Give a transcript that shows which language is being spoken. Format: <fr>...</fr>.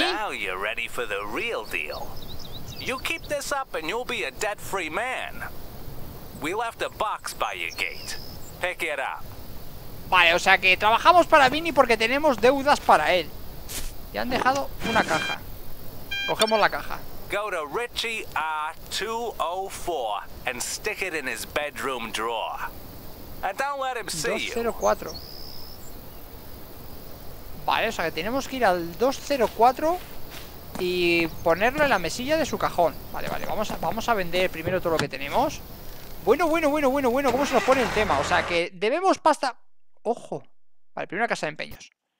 <en>Now you're ready for the real deal. You keep this up and you'll be a debt-free man. We left a box by your gate. Pick it up.</en> <es>Vale, o sea que trabajamos para Vini porque tenemos deudas para él. Y han dejado una caja. Cogemos la caja.</es> <en>Go to Richie R204 and stick it in his bedroom drawer. And don't let him see you. 204.</en> <es>Vale, o sea que tenemos que ir al 204 y ponerlo en la mesilla de su cajón. Vale, vale, vamos a vender primero todo lo que tenemos. Bueno, bueno, bueno, bueno, bueno, ¿cómo se nos pone el tema? O sea que debemos pasta. Ojo. Vale, primera casa de empeños.</es>